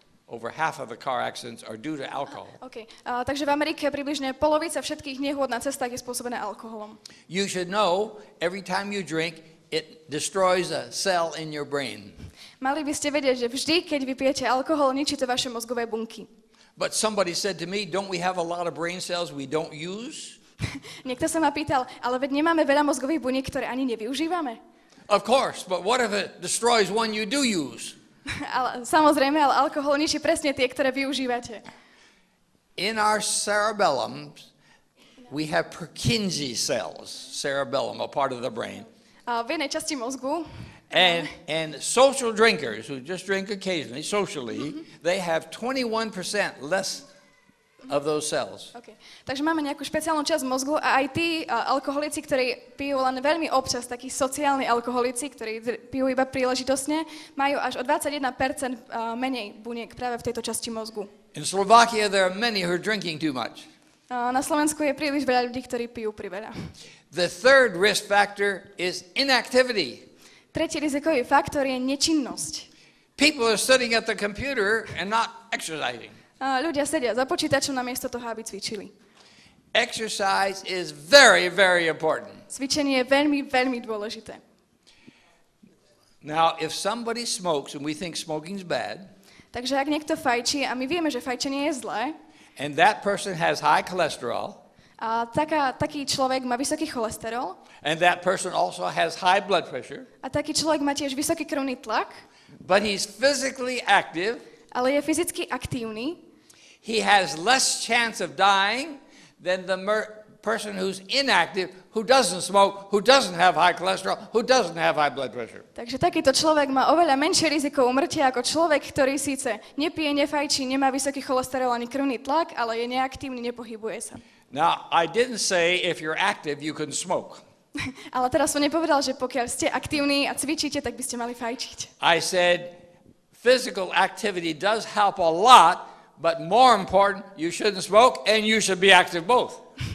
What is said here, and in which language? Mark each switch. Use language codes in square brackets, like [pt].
[en] Over half of the car accidents are due to alcohol. Okay. [sk] Takže v Amerike približne polovica všetkých nehôd na cestách je spôsobená alkoholom. [en] You should know, every time you drink, it destroys a cell in your brain. [sk] Mali by ste vedieť, že vždy, keď vypijete alkohol, ničí to vaše mozgové bunky. [en] But somebody said to me, don't we have a lot of brain cells we don't use? [sk] Niekto sa ma pýtal, ale veď nemáme veľa mozgových buniek, ktoré ani nevyužívame? [en] Of course, but what if it destroys one you do use? [sk] Ale samozrejme, ale alkohol ničí presne tie, ktoré využívate. [en] In our cerebellum we have Purkinje cells, cerebellum, a part of the brain. [sk] A v jednej časti mozgu. [en] And social drinkers who just drink occasionally, socially, they have 21% less of those cells. Okay. [sk] Takže máme nejakú špeciálnu časť mozgu a aj tí alkoholici, ktorí pijú len veľmi občas, takí sociálni alkoholici, ktorí pijú iba príležitosne, majú až o 21% menej buniek práve v tejto časti mozgu. [en] In Slovakia there are many who are drinking too much. [sk] Na Slovensku je príliš veľa ľudí, ktorí pijú priveľa. [en] The third risk factor is inactivity. [sk] Tretí rizikový faktor je nečinnosť. [en] People are sitting at the computer and not exercising. [sk] Ľudia sedia za počítačom namiesto toho, aby cvičili. [en] Exercise is very, very important. [sk] Cvičenie je veľmi, veľmi dôležité. [en] Now, if somebody smokes and we think smoking's bad, [sk] takže ak niekto fajčí a my vieme, že fajčenie je zlé, [en] and that person has high cholesterol, [sk] a taký človek má vysoký cholesterol, [en] and that person also has high blood pressure, [sk] a taký človek má tiež vysoký krvný tlak, [en] but he's physically active, [sk] ale je fyzicky aktívny, [en] he has less chance of dying than the person who's inactive, who doesn't smoke, who doesn't have high cholesterol, who doesn't have high blood pressure. [sk] Takže takýto človek má oveľa menšie riziko úmrtia ako človek, ktorý síce nepije, nefajčí, nemá vysoký cholesterol ani krvný tlak, ale je neaktívny, nepohybuje sa. [en] Now, I didn't say if you're active, you can smoke. [sk] Ale teraz som nepovedal, že pokiaľ ste aktívni a cvičíte, tak by ste mali fajčiť. [en] I said, physical activity does help a lot, but more important, you shouldn't smoke and you should be active both.